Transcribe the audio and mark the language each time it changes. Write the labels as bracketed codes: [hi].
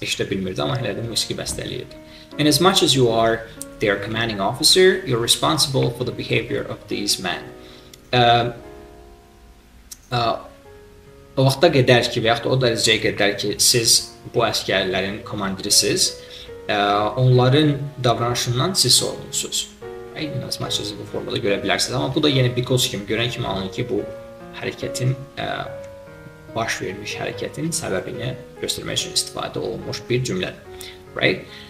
[az] Eşidə bilmirdi, amma hələ də musiqi bəstələyirdi. [en] In as much as you are their commanding officer, you're responsible for the behavior of these men. [az] O vaxta qədər ki, və yaxud da o dərəcəyə qədər ki, siz bu əskərlərin komandirisiniz, onların davranışından siz sorumlusunuz. In as much as bu formada görə bilərsiniz. Amma bu da yenə because kimi, görən kimi alın ki, bu hərəkətin, baş vermiş hərəkətin səbəbini göstərmək üçün istifadə olunmuş bir cümlədir. Right?